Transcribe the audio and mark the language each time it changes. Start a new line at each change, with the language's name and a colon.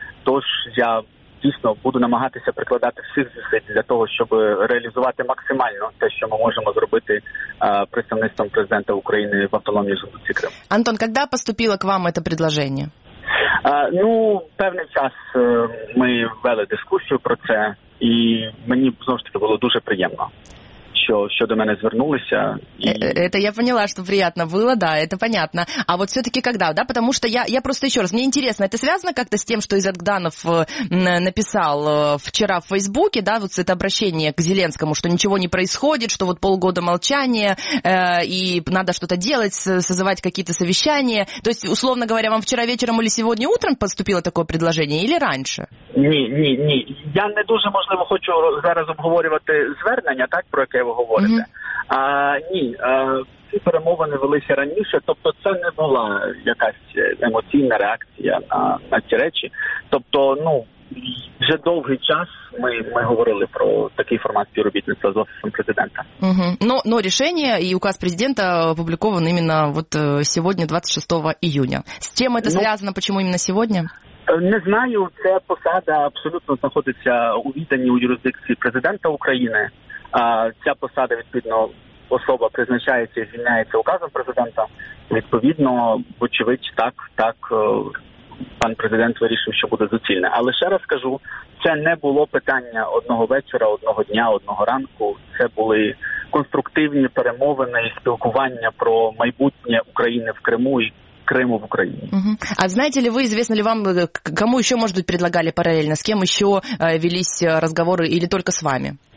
Ukrainian: Тож я дійсно буду намагатися прикладати всіх зусиль для того, щоб реалізувати максимально те, що ми можемо зробити представництвом президента України в автономній Республіці Крим. Антон, коли поступило к вам це пропозиція? Ну, певний час ми вели дискусію про це, і мені, знову ж таки, було дуже приємно, що до мене звернулися.
Russian: Это я поняла, что приятно было, да, это понятно. А вот все-таки когда, да? Потому что я просто еще раз, мне интересно, это связано как-то с тем, что Изат Гданов написал вчера в Фейсбуке, да, вот это обращение к Зеленскому, что ничего не происходит, что вот полгода молчания, и надо что-то делать, созывать какие-то совещания. То есть, условно говоря, вам вчера вечером или сегодня утром поступило такое предложение, или раньше?
Ukrainian: Ні. Я не дуже, можливо, хочу зараз обговорювати звернення, так, про яке ви говорите. Mm-hmm. Ці перемовини велися раніше, тобто це не була якась емоційна реакція на ці речі. Тобто, ну, вже довгий час ми говорили про такий формат співробітництва з Офісом Президента. Угу. Но рішення і указ Президента опубліковані іменно вот сьогодні, 26 іюня. З чим це зв'язано, чому іменно сьогодні? Не знаю, ця посада абсолютно знаходиться у віданні, у юрисдикції президента України. Ця посада, відповідно, особа призначається і звільняється указом президента. Відповідно, вочевидь, так пан президент вирішив, що буде доцільне. Але ще раз кажу, це не було питання одного вечора, одного дня, одного ранку. Це були конструктивні перемовини і спілкування про майбутнє України в Криму і
Russian: Крыму в Украине. Uh-huh. А знаете ли вы, известно ли вам, кому еще, может быть, предлагали параллельно, с кем еще велись разговоры или только с вами?